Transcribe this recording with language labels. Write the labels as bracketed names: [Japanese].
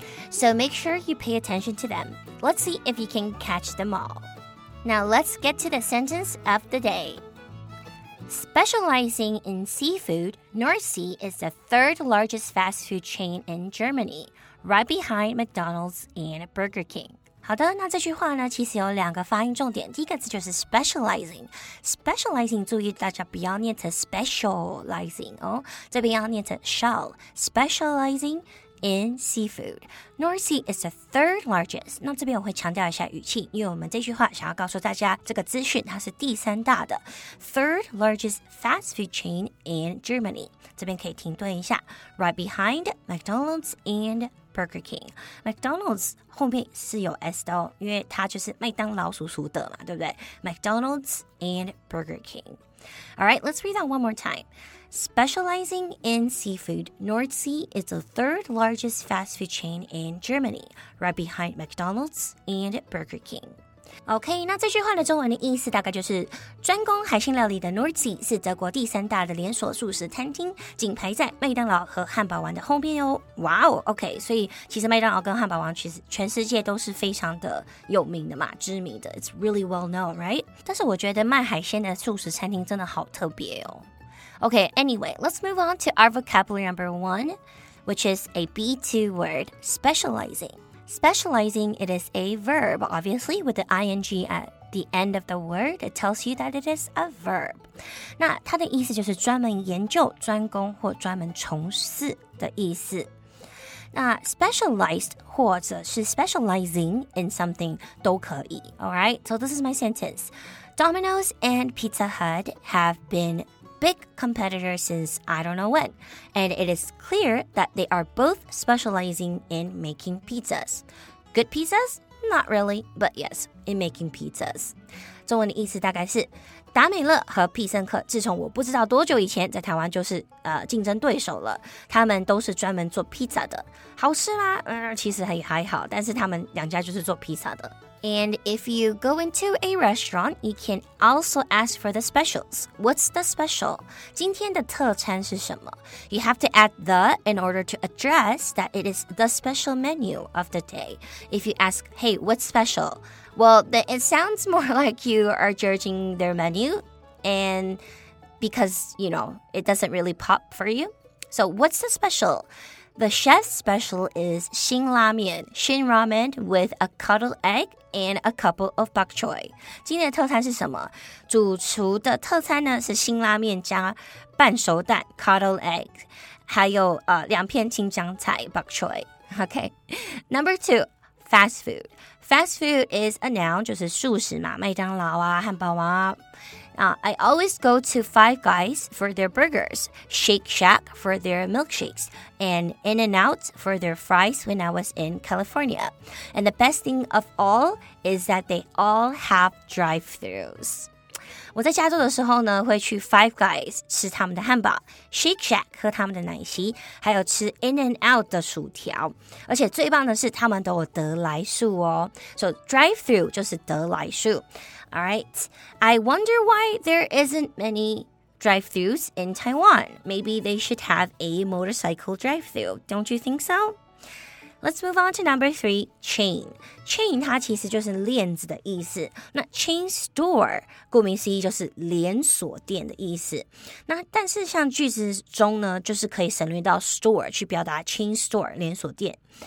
[English] So make sure you pay attention to them. Let's see if you can catch them all. Now let's get to the sentence of the day. Specializing in seafood, Nordsee is the third largest fast food chain in Germany, right behind McDonald's and Burger King. [Chinese] 好的，那这句话呢，其实有两个发音重点。第一个字就是 specializing， specializing， 注意大家不要念成 specializing 哦，这边要念成 shall， [English] specializing in seafood. Nordsee is the third largest. [Chinese] 那这边我会强调一下语气，因为我们这句话想要告诉大家这个资讯它是第三大的。 [English] Third largest fast food chain in Germany. [Chinese] 这边可以停顿一下。 [English] Right behind McDonald's and Burger King. [Chinese] McDonald's 后面是有 S 的哦，因为它就是麦当劳叔叔的嘛，对不对？ [English] McDonald's and Burger King. Alright, let's read that one more time. Specializing in seafood, Nordsee is the third largest fast food chain in Germany, right behind McDonald's and Burger King. [Chinese] OK, 那这句话的中文的意思大概就是专攻海鲜料理的 Nordsee 是德国第三大的连锁素食餐厅，仅排在麦当劳和汉堡王的后面哦。哇哦 ,OK, 所以其实麦当劳跟汉堡王其实全世界都是非常的有名的嘛，知名的。 [English] It's really well known, right? [Chinese] 但是我觉得卖海鲜的素食餐厅真的好特别哦。 [English] Okay, anyway, let's move on to our vocabulary number one, which is a B2 word, specializing. Specializing, it is a verb, obviously, with the ing at the end of the word. It tells you that it is a verb. [Chinese] 那它的意思就是专门研究、专攻或专门从事的意思。那 specialized 或者是 [English] specializing in something [Chinese] 都可以。 [English] Alright, so this is my sentence. Domino's and Pizza Hut have beenBig competitor since I don't know when, and it is clear that they are both specializing in making pizzas. Good pizzas? Not really, but yes, in making pizzas. [Chinese] 中文的意思大概是，达美乐和必胜客自从我不知道多久以前在台湾就是竞争对手了，他们都是专门做 pizza 的，好吃吗？其实还好，但是他们两家就是做 pizza 的。 [English] And if you go into a restaurant, you can also ask for the specials. What's the special? [Chinese] 今天的特餐是什么? [English] You have to add the in order to address that it is the special menu of the day. If you ask, hey, what's special? Well, then it sounds more like you are judging their menu. And because, you know, it doesn't really pop for you. So what's the special? The chef's special is 辛 ramen with a cuddled egg and a couple of bok choy. [Chinese] 今天的特餐是什么？主厨的特餐呢是辛拉面加半熟蛋 [English] cuddled egg， [Chinese] 还有两片青江菜 bok choy. [English] Okay, number two, fast food. Fast food is a noun, [Chinese] 就是素食嘛，麦当劳啊，汉堡王啊。 [English] I always go to Five Guys for their burgers, Shake Shack for their milkshakes, and In-N-Out for their fries when I was in California. And the best thing of all is that they all have drive-thrus. [Chinese] 我在加州的时候呢，会去 Five Guys 吃他们的汉堡， Shake Shack 喝他们的奶昔，还有吃 In-N-Out 的薯条。而且最棒的是，他们都有得来速哦。So drive-thru 就是得来速。 [English] Alright, I wonder why there isn't many drive-thrus in Taiwan. Maybe they should have a motorcycle drive-thru, don't you think so? Let's move on to number three, chain. [Chinese] Chain 它其实就是链子的意思。那 chain store 顾名思义就是连锁店的意思。那但是像句子中呢，就是可以省略到 store 去表达 chain store 连锁店。